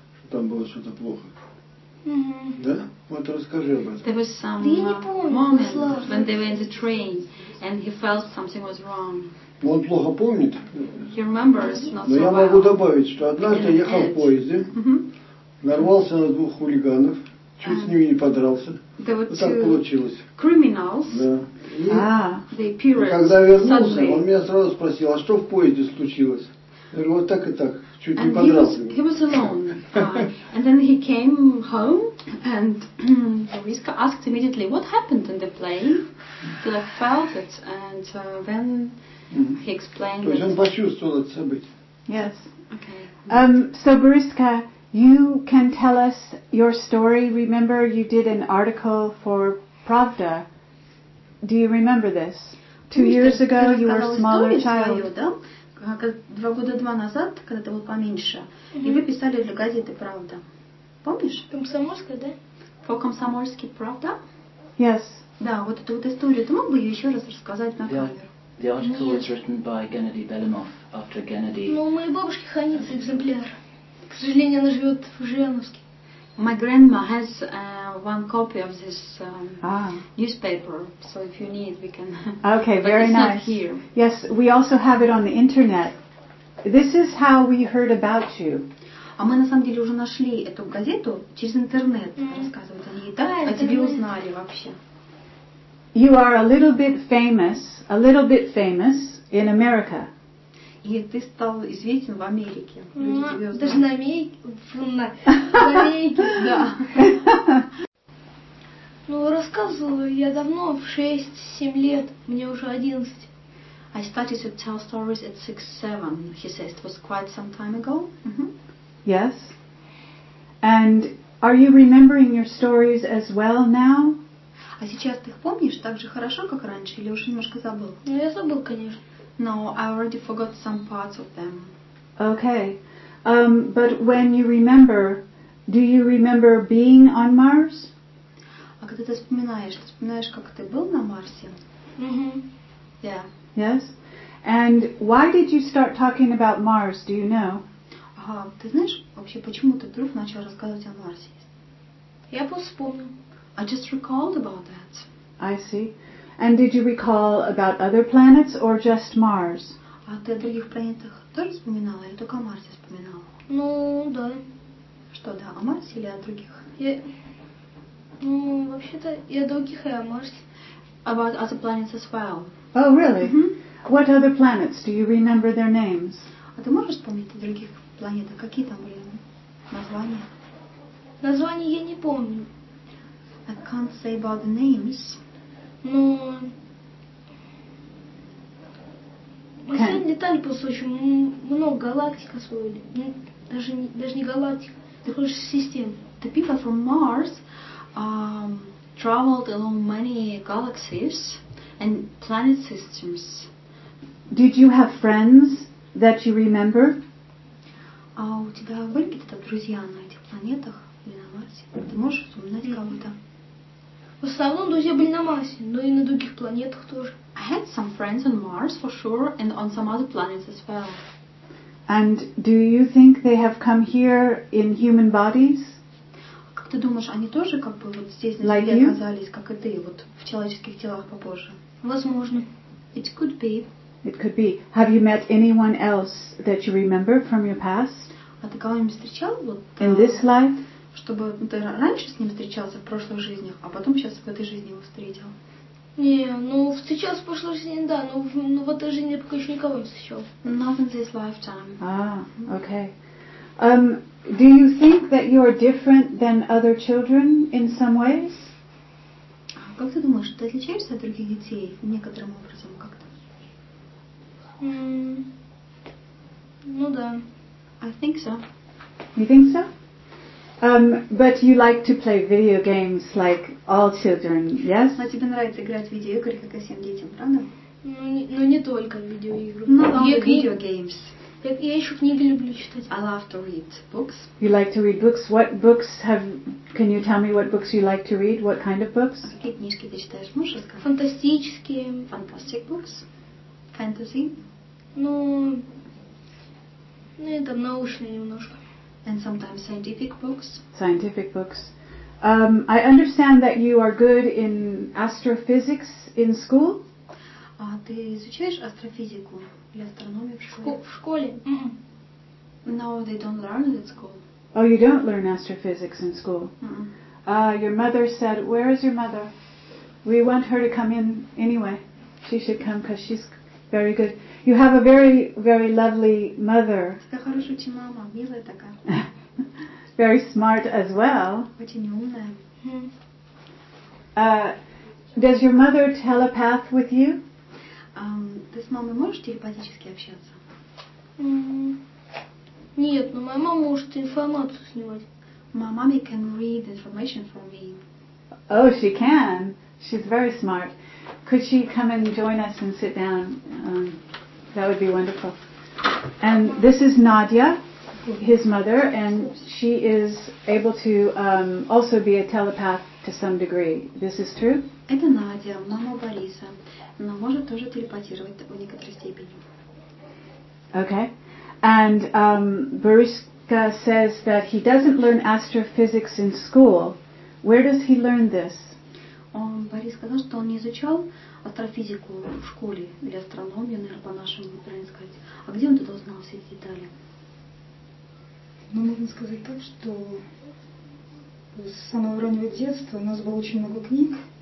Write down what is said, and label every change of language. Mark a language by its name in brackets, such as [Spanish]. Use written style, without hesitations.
[English] There was some moment when they were in the train and he felt something was wrong. [Russian] Он плохо помнит. [English] He remembers not so well. [Russian] Но я могу добавить, что однажды ехал в поезде, нарвался на двух хулиганов, чуть с ними не подрался. [English] There were [Russian] так получилось. [English] Criminals. [Russian] Да. И когда вернулся, [English] suddenly, [Russian] он меня сразу спросил, а что в поезде случилось? Я говорю, вот так и так, чуть не подрался. [English] He was alone. And then he came home and Риска asked immediately, what happened in the plane? Did I felt it? And then he explained. [Russian] То есть он почувствовал это событие. [English] Yes. Okay. So Bariska, you can tell us your story. Remember, you did an article for Pravda. Do you remember this? Two years ago, you were a smaller child. [Russian] Два года два назад, когда ты был поменьше, и вы писали для газеты Правда. Помнишь? Комсомольская, да? [English] For Комсомольский Правда. Yes. [Russian] Да, вот эту вот историю. Ты мог бы ее еще раз рассказать на камеру? [English] The article was written by Геннадий Белимов after Геннадий. [Russian] Ну, у моей бабушки хранится экземпляр. К сожалению, она живет в Жирновске. [English] My grandma has one copy of this newspaper, so if you need, we can. Okay, but very it's nice. Not here. Yes, we also have it on the internet. This is how we heard about you. [Russian] А мы на самом деле уже нашли эту газету через интернет. Рассказывают о ней, да? А тебе узнали вообще? [English] You are a little bit famous in America. [Russian] И ты стал известен в Америке. Даже на Америке. Да. Ну, рассказываю я давно, в 6-7 лет, мне уже 11. [English] I started to tell stories at 6-7, he says. It was quite some time ago. Yes. And are you remembering your stories as well now? [Russian] А сейчас ты их помнишь так же хорошо, как раньше, или уже немножко забыл? Ну, я забыл, конечно. [English] No, I already forgot some parts of them. Okay. But when you remember, do you remember being on Mars? [Russian] А когда ты вспоминаешь, как ты был на Марсе? [English] Yeah. Yes? And why did you start talking about Mars, do you know? [Russian] Ага, ты знаешь, вообще, почему ты вдруг начал рассказывать о Марсе? Я просто вспомнил. [English] I just recalled about that. I see. And did you recall about other planets or just Mars? [Russian] А ты о других планетах тоже вспоминала? Я только о Марсе вспоминала. Ну, да. Что, да, о Марсе или о других? Ну, вообще-то, и о других, и о Марсе. [English] About other planets as well. Oh, really? What other planets? Do you remember their names? [Russian] А ты можешь вспомнить о других планетах? Какие там были названия? Названия я не помню. [English] I can't say about the names. [Russian] Но мы сегодня летали просто очень много галактик освоили. Даже не галактик, ты хочешь систем. [English] The people from Mars traveled along many galaxies and planet systems. Did you have friends that you remember? [Russian] А у тебя были какие-то друзья на этих планетах или на Марсе? Ты можешь вспоминать кого-то? В основном друзья были на Марсе, но и на других планетах тоже. [English] I had some friends on Mars for sure and on some other planets as well. And do you think they have come here in human bodies? [Russian] Как ты думаешь, они тоже как бы вот здесь на Земле оказались, как и ты, вот в человеческих телах попозже? Возможно. [English] It could be. It could be. Have you met anyone else that you remember from your past? [Russian] А ты кого-нибудь встречал вот? [English] In this life? [Russian] Чтобы ты раньше с ним встречался в прошлых жизнях, а потом сейчас в этой жизни его встретил. Не, ну встречался в прошлой жизни, да, но в этой жизни я пока еще никого не встречал. [English] Not in this lifetime. Okay. Do you think that you're different than other children in some ways? [Russian] Как ты думаешь, ты отличаешься от других детей некоторым образом как-то? Ну да. [English] I think so. You think so? But you like to play video games like all children, yes? [Russian] А тебе нравится играть в видеоигры, как и всем детям, правда? Ну, не только в видеоигры. Ну, только [English] video games. [Russian] Я еще книги люблю читать. [English] I love to read books. You like to read books? What books have... Can you tell me what books you like to read? What kind of books? [Russian] Какие книжки ты читаешь? Можешь рассказать? Фантастические. [English] Fantastic books? Fantasy? [Russian] Ну, это научные немножко. [English] And sometimes scientific books? Scientific books. I understand that you are good in astrophysics in school. [Russian] А ты изучаешь астрофизику? Или астрономию в школе? В школе? [English] No, they don't learn it at school. Oh, you don't learn astrophysics in school? Mm-mm. Your mother said, where is your mother? We want her to come in anyway. She should come because she's very good. You have a very, very lovely mother. [Russian] Это хорошая мама, милая такая. [English] Very smart as well. [Russian] Очень умная. [English] Does your mother telepath with you? [Russian] Ты с мамой можешь телепатически общаться? Нет, но моя мама может информацию снимать. [English] My mommy can read information from me. Oh, she can. She's very smart. Could she come and join us and sit down? That would be wonderful. And this is Nadia, his mother, and she is able to also be a telepath to some degree. This is true? [Russian] Это Надя, мама Бориса. Она может тоже телепатировать в некоторой степени. [English] Okay. And Boriska says that he doesn't learn astrophysics in school. Where does he learn this? [Russian] Борис сказал, что он не изучал астрофизику в школе или астрономию, наверное, по-нашему, правильно сказать. А где он тогда узнал все эти детали? Ну, можно сказать так, что с самого раннего детства у нас было очень много книг.